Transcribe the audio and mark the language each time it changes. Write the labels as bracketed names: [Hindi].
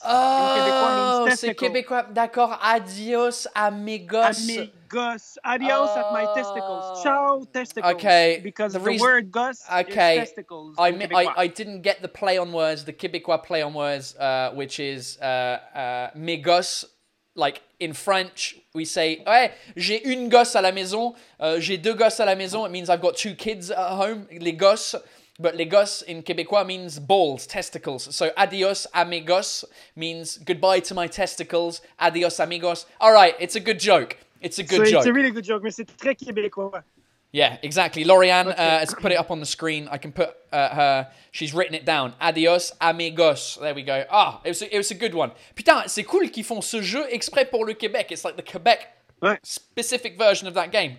[French] c'est québécois, d'accord. [Spanish] Adios, amigos. [English] Amigos. Adios at my testicles. Ciao, testicles. Okay. Because the word gus is testicles. I didn't get the play on words, the québécois play on words, which is mes gosses. Like in French, we say, [French] hey, j'ai une gosse à la maison. J'ai deux gosses à la maison. [English] It means I've got two kids at home. [French] Les gosses. [English] But les gosses in Québécois means balls, testicles. So adios, amigos means goodbye to my testicles. [Spanish] Adios, amigos. [English] All right, it's a good joke. It's a good joke. It's a really good joke, [French] mais c'est très Québécois. [English] Yeah, exactly. Lauriane has put it up on the screen. I can put her. She's written it down. [Spanish] Adios, amigos. [English] There we go. Ah, it was a good one. [French] Putain, c'est cool qu'ils font ce jeu exprès pour le Québec. [English] It's like the Quebec specific version of that game.